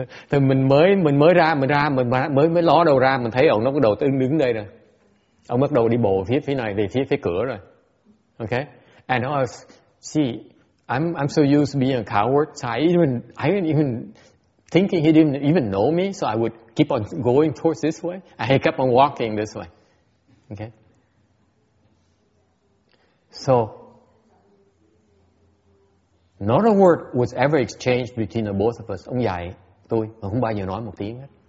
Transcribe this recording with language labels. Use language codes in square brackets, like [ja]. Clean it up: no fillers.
[vi] Thì mình mới ló đầu ra, mình thấy ông nó bắt đầu đứng đây rồi. Ông bắt đầu đi bộ phía này về phía cửa rồi. Okay? [en] And I was, see, I'm so used to being a coward, so I didn't even thinking he didn't even know me, so I would keep on going towards this way. I kept on walking this way. Okay? So not a word was ever exchanged between the both of us. [vi] Ông dạy tôi mà không bao giờ nói một tiếng hết.